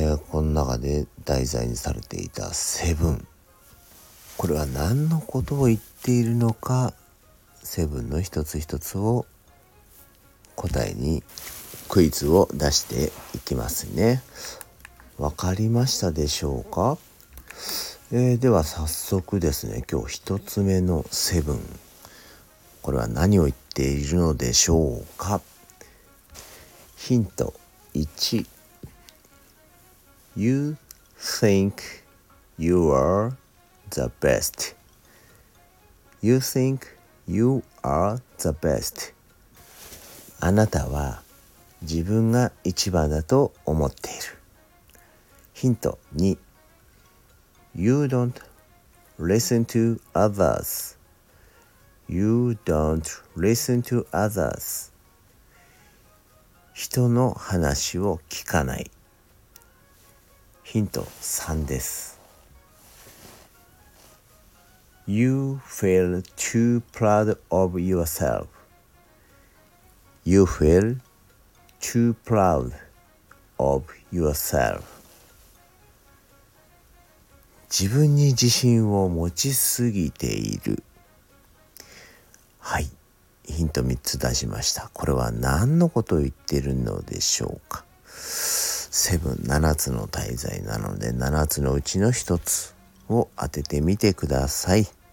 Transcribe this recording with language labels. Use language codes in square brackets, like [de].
[ja] この中で題材にされていたセブン、これは何のことを言っているのか、セブンの一つ一つを答えにクイズを出していきますね。わかりましたでしょうか。では早速ですね、今日一つ目のセブン、これは何を言っているのでしょうか。ヒント1。 [en] You think you are the best. You think you are the best. [ja] あなたは自分が一番だと思っている。ヒント2。 [en] You don't listen to others. You don't listen to others. [ja] 人の話を聞かない。ヒント3です。 [en] You feel too proud of yourself. You feel too proud of yourself. [ja] 自分に自信を持ちすぎている。はい。ヒント3つ出しました。これは何のことを言ってるのでしょうか。セブン、7つの大罪なので7つのうちの1つを当ててみてください。